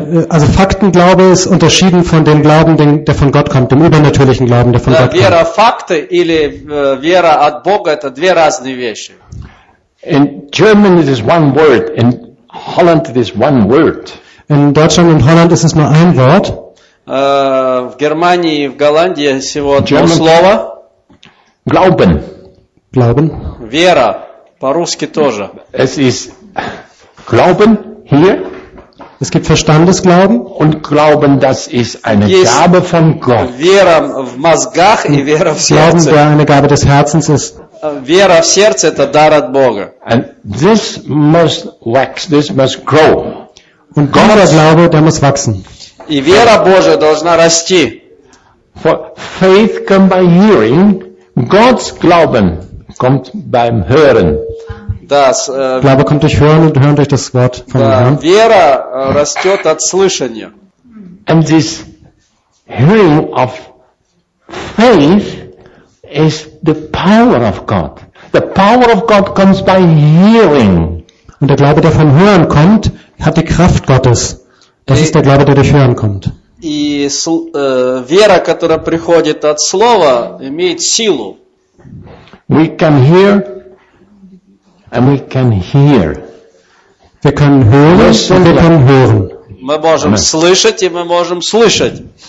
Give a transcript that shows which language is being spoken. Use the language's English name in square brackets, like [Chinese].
[German] Also Faktenglaube ist unterschieden von dem Glauben, der von Gott kommt, dem übernatürlichen Glauben, der von Gott kommt. [Russian] Вера факты или вера от Бога — это две разные вещи. [English] In German it is one word. In Holland it is one word. [German] In Deutschland und Holland ist es nur ein Wort. [Russian] В Германии и в Голландии всего одно слово. [German] Glauben. Glauben. [Russian] Вера по-русски тоже. [German] Es ist Glauben hier. Es gibt Verstandesglauben und Glauben, das ist eine Gabe von Gott. [Russian] Вера в мозгах и вера в сердце. [German] Glauben, der eine Gabe des Herzens ist. [Russian] Вера в сердце — это дар от Бога. [English] And this must wax, this must grow. [German] Und Gottes Glaube, der muss wachsen. [Russian] И вера Божия должна расти. [English] For faith comes by hearing, God's [German] Glauben kommt beim Hören. Das, Glaube kommt durch Hören und Hören durch das Wort von Herrn. [Russian] Вера растет от слышания. [English] And this hearing of faith is the power of God. The power of God comes by hearing. [German] Und der Glaube, der von Hören kommt, hat die Kraft Gottes. Das ist der Glaube, der durch Hören kommt. [Russian] И вера, которая приходит от слова, имеет силу. [English] We can hear. And we can hear. [German] Wir können hören und wir können hören. [Russian] Мы можем слышать и мы можем слышать.